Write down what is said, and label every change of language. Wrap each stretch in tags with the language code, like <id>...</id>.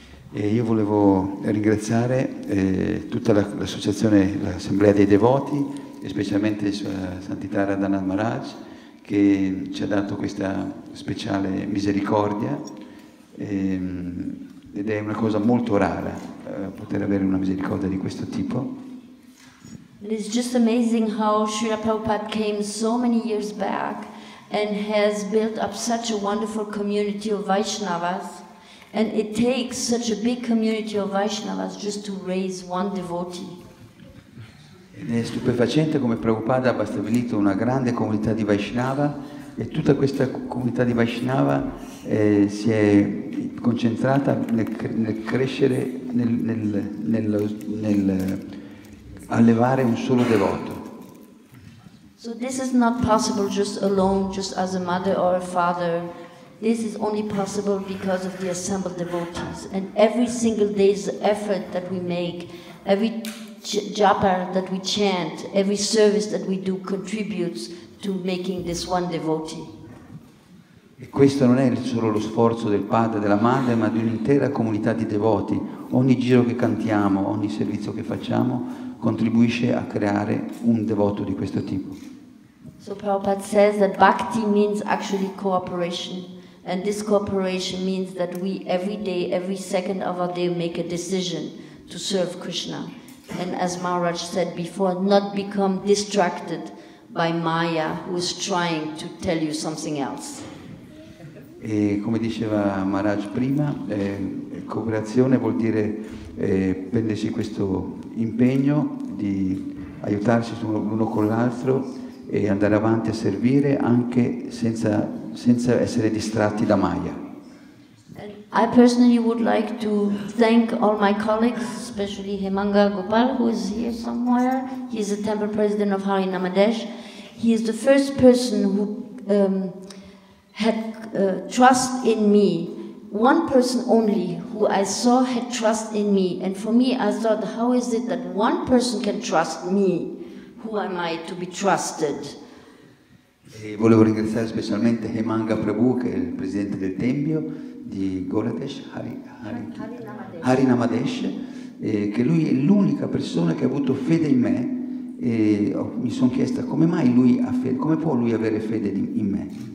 <it>E io volevo ringraziare tutta l'associazione, l'Assemblea dei Devoti, e specialmente Sua Santità Radhanath Maharaj, che ci ha dato questa speciale misericordia, ed è una cosa molto rara poter avere una misericordia di questo tipo.</it> <en>It's just amazing how Srila Prabhupada came so many years back and has built up such a wonderful community of Vaishnavas. And it takes such a big community of Vaishnavas just to raise one devotee.</en> <it>Ed è stupefacente come Prabhupada abbia stabilito una grande comunità di Vaishnava, e tutta questa comunità di Vaishnava si è concentrata nel crescere, nel allevare un solo devoto.</it> <en>So this is not possible just alone, just as a mother or a father. This is only possible because of the assembled devotees. And every single day's effort that we make, every japa that we chant, every service that we do contributes to making this one devotee.</en> <it>E questo non è solo lo sforzo del padre, della madre, ma di un'intera comunità di devoti. Ogni giro che cantiamo, ogni servizio che facciamo, contribuisce a creare un devoto di questo tipo.</it> <en>So Prabhupada says that bhakti means actually cooperation. And this cooperation means that we every day, every second of our day, make a decision to serve Krishna. And as Maharaj said before, not become distracted by Maya, who is trying to tell you something else.</en> <it>E come diceva Maharaj prima, cooperazione vuol dire prendersi questo impegno di aiutarsi l'uno con l'altro e andare avanti a servire anche senza essere distratti da Maya.</it> <en>And I personally would like to thank all my colleagues, especially Hemanga Gopal, who is here somewhere. He is a temple president of Hari Namadesh. He is the first person who had trust in me. One person only who I saw had trust in me. And for me, I thought, how is it that one person can trust me? Who am I to be trusted?</en> <it>E volevo ringraziare specialmente Hemanga Prabhu, che è il presidente del Tempio di Goradesh, Hari Namadesh, che lui è l'unica persona che ha avuto fede in me, e mi sono chiesta come mai lui ha fede, come può lui avere fede in me.</it>